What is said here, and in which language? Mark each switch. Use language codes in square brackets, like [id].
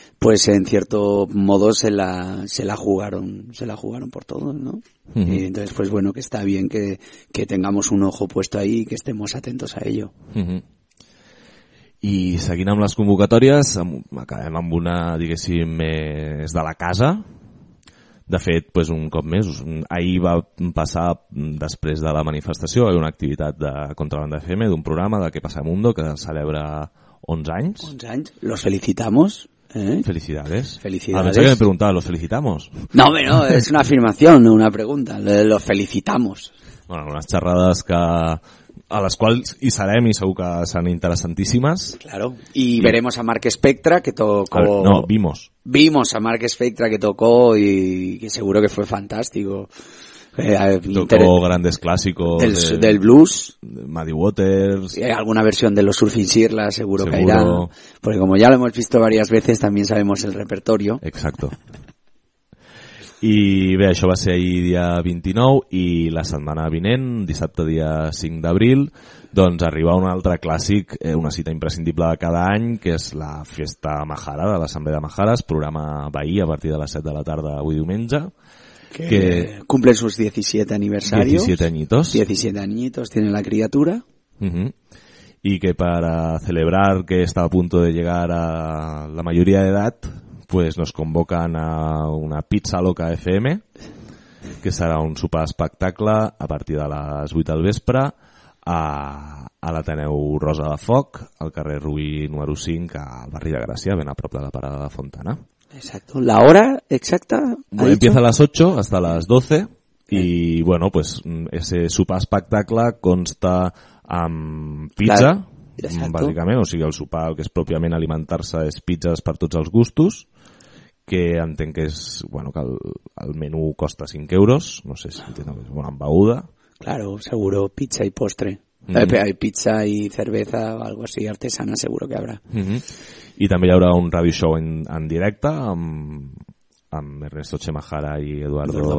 [es] Pues en cierto modo se la jugaron por todos, ¿no? Uh-huh. Y entonces, pues bueno, que está bien que tengamos un ojo puesto ahí y que estemos atentos a ello. Uh-huh. [ca] I seguint amb les convocatòries, acabem amb una, diguéssim, més de la casa. De fet, pues un cop més, ahir va passar, després de la manifestació, una activitat de contrabanda FM, d'un programa de Què passa al Mundo, que celebra 11 anys. 11 anys, [es] los felicitamos. Felicidades. Pensaba que me preguntaba, ¿los felicitamos? No, no, es una afirmación, no una pregunta, los felicitamos. Bueno, unas charradas que... [ca] a les quals hi serem i segur que seran interessantíssimes. [es] Claro, y veremos a Marc Spectra que tocó... Vimos a Marc Spectra que tocó y que seguro que fue fantástico. Tocó grandes clásicos... Del blues. Muddy Waters... Y alguna versión de los Surfing Sirla seguro que irá. Porque como ya lo hemos visto varias veces, también sabemos el repertorio. Exacto. [ca] I bé, això va ser ahir dia 29 i la setmana vinent, dissabte dia 5 d'abril, doncs arriba un altre clàssic, una cita imprescindible de cada any, que és la Festa Majara, de l'Assemblea de Majares, programa veí a partir de les 7 de la tarda avui diumenge. [es] Que cumple sus 17 aniversarios. 17 añitos. 17 añitos tiene la criatura. [ca] Uh-huh. [es] Y que para celebrar que está a punto de llegar a la mayoría de edad, pues nos convocan a una pizza loca FM, [ca] que serà un super espectacle a partir de les 8 del vespre a l'Ateneu Rosa de Foc, al carrer Rubí número 5, al barri de Gràcia, ben a prop de la parada de Fontana. [es] Exacto. ¿La hora exacta? Empieza a las 8 hasta las 12 y bueno, pues ese super espectacle [ca] consta amb pizza... Clar. [es] Exacto. [ca] Bàsicament, o sigui, el sopar, el que és pròpiament alimentar-se, és pizzas per tots els gustos, que entenc que és, bueno, que el menú costa 5 euros, no sé si entenc, és una embeguda. [es] Claro, seguro, pizza y postre. Hay pizza y cerveza o algo así, artesana, seguro que habrá. Mm-hmm. [ca] I també hi haurà un radio show en directe amb Ernesto Chemajara i Eduardo